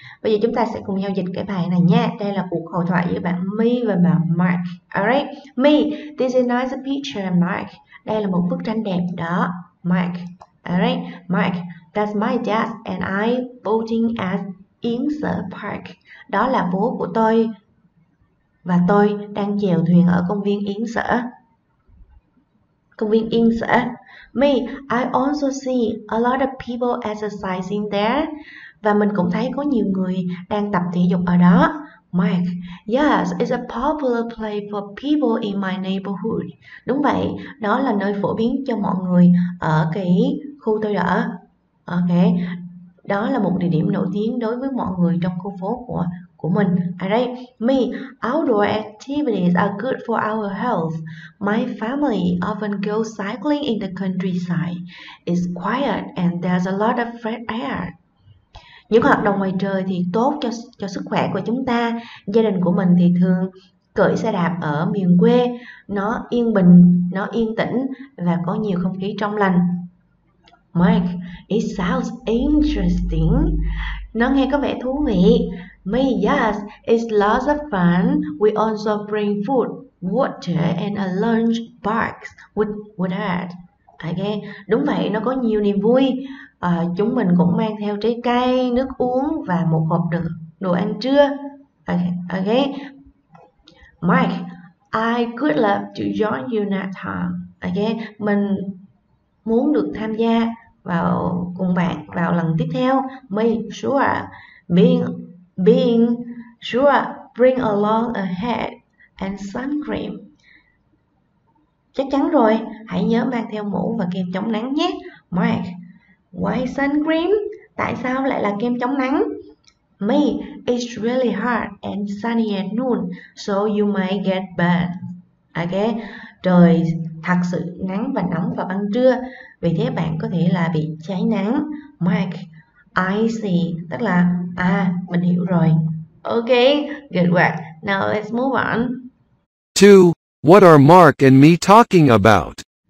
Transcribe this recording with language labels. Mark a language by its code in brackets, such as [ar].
[vi] Bây giờ chúng ta sẽ cùng nhau dịch cái bài này nhé. Đây là cuộc hội thoại giữa bạn Mi và bạn Mark. [en] Alright, Mi, this is a nice picture, Mark. [vi] Đây là một bức tranh đẹp đó, Mark. [en] Alright, Mark, that's my dad and I boating at Yinser Park. [vi] Đó là bố của tôi và tôi đang chèo thuyền ở công viên Yinser. Công viên Yinser. [en] Me, I also see a lot of people exercising there. [vi] Và mình cũng thấy có nhiều người đang tập thể dục ở đó. [en] Mike, yes, it's a popular place for people in my neighborhood. [vi] Đúng vậy, đó là nơi phổ biến cho mọi người ở cái khu tôi ở. Ok, đó là một địa điểm nổi tiếng đối với mọi người trong khu phố của mình. [en] Alright, me, outdoor activities are good for our health. My family often go cycling in the countryside. It's quiet and there's a lot of fresh air. [vi] Những hoạt động ngoài trời thì tốt cho sức khỏe của chúng ta. Gia đình của mình thì thường cưỡi xe đạp ở miền quê. Nó yên bình, nó yên tĩnh và có nhiều không khí trong lành. [en] Mike, it sounds interesting. [vi] Nó nghe có vẻ thú vị. [en] Me, yes, it's lots of fun. We also bring food, water and a lunch box with us. Okay. [vi] Đúng vậy, nó có nhiều niềm vui. Chúng mình cũng mang theo trái cây, nước uống và một hộp đồ ăn trưa. Okay. [en] Mike, I could love to join you next time. Okay. [vi] Mình muốn được tham gia vào cùng bạn vào lần tiếp theo. [en] Me, sure. Being sure, bring along a hat and sun cream. [vi] Chắc chắn rồi, hãy nhớ mang theo mũ và kem chống nắng nhé. [en] Mike, why sun cream? [vi] Tại sao lại là kem chống nắng? [en] Me, it's really hot and sunny at noon, so you might get burned. [vi] Okay, trời thật sự nắng và nóng vào ban trưa, vì thế bạn có thể là bị cháy nắng. [en] Mike, I see, [vi] tức là, mình hiểu rồi. [en] Okay, good work. Now let's move on. 2. What are Mark and me talking about?